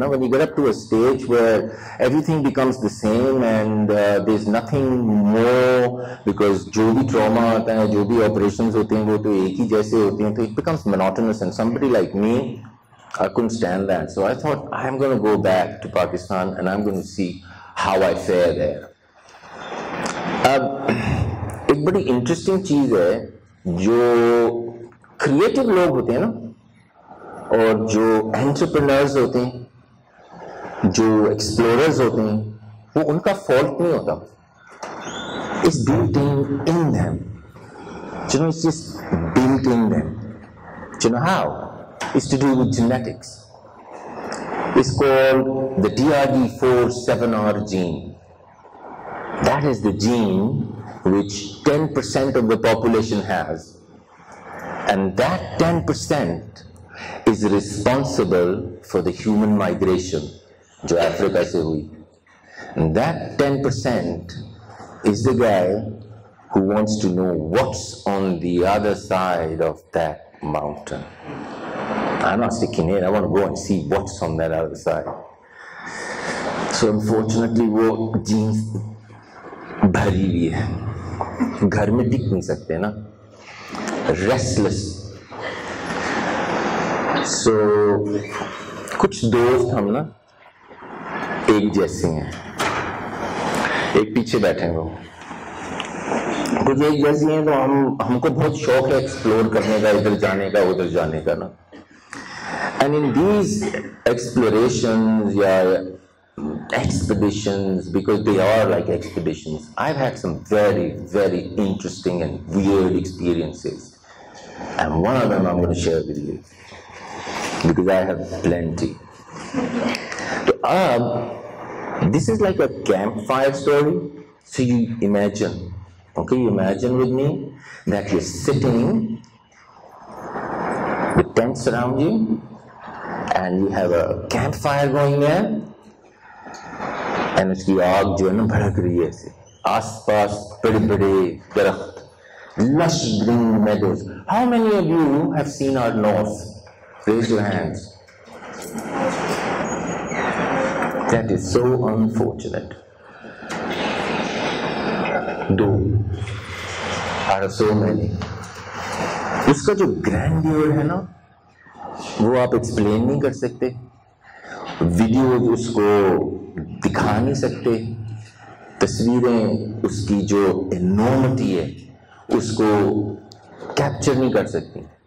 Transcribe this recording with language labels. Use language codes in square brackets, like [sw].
[en] Now, when you get up to a stage where everything becomes the same and there's nothing more, because [hi] jo bhi trauma aata hai, jo bhi operations hote hain, [en] wo to ek hi jaise hote hain, it becomes monotonous. And somebody like me, I couldn't stand that. So I thought, I'm going to go back to Pakistan and I'm going to see how I fare there. [hi] Ek badi interesting cheez hai, jo creative log hote hain na, और जो entrepreneurs होते हैं, जो explorers होते हैं, वो उनका fault नहीं होता, [en] It's built in in them, you know, it's just built in them, you know how, it's to do with genetics, it's called the DRG47R gene, that is the gene which 10% of the population has, and that 10% is responsible for the human migration jo Africa se hui. And that 10% is the guy who wants to know what's on the other side of that mountain. I'm not sticking in, I want to go and see what's on that other side. [hi] So unfortunately wo jeans bhari hui hai, ghar mein dikh nahi sakte na, restless. So, कुछ दोस्त हम ना एक जैसे हैं, एक पीछे बैठे हैं वो, कुछ एक जैसे हैं, तो हमको बहुत शौक है एक्सप्लोर करने का, इधर जाने का उधर जाने का ना. [en] And in these explorations या expeditions, because they are like expeditions, I've had some very, very interesting and weird experiences, and one of them I'm going to share with you, because I have plenty. So, this is like a campfire story. So you imagine, okay, you imagine with me that you're sitting with tents around you and you have a campfire going there. [hi] And उसकी आग जो है ना भड़क रही है ऐसे, आस पास बड़े बड़े दरख्त, [en] lush green meadows. How many of you have seen our north? Raise your hands. That is so unfortunate. दो out of so many. [hi] उसका जो grandeur है ना, वो आप explain नहीं कर सकते, वीडियो उसको दिखा नहीं सकते, तस्वीरें उसकी जो एनॉर्मिटी है उसको कैप्चर नहीं कर सकती.